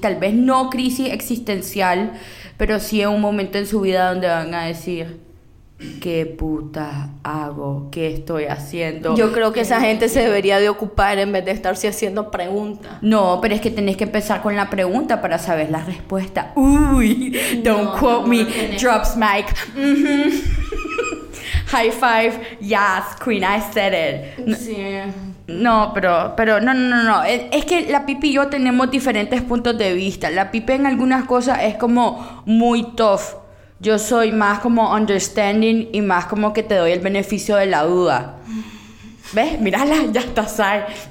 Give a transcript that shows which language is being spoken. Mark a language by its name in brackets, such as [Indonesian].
[Spanish] Tal vez no crisis existencial, pero sí en un momento en su vida donde van a decir... ¿Qué puta hago? ¿Qué estoy haciendo? Yo creo que esa gente se debería de ocupar en vez de estarse haciendo preguntas. No, pero es que tenés que empezar con la pregunta para saber la respuesta. [English] Uy, don't no, quote me, drops mic. Mm-hmm. High five, yes, queen, I said it. [Spanish] Sí. No, pero no. Es que la Pipi y yo tenemos diferentes puntos de vista. La Pipi en algunas cosas es como muy tough. Yo soy más como understanding y más como que te doy el beneficio de la duda. ¿Ves? Mírala, ya está, Sai.